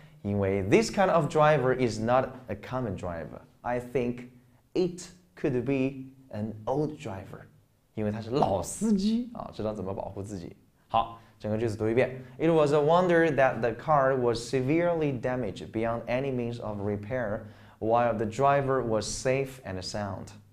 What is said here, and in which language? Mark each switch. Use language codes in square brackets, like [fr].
[zh] 因为 [en] this kind of driver is not a common driver. I think it could be an old driver. [zh] 因为他是老司机啊，知道怎么保护自己。好，整个句子读一遍。 [en] It was a wonder that the car was severely damaged beyond any means of repair while the driver was safe and sound.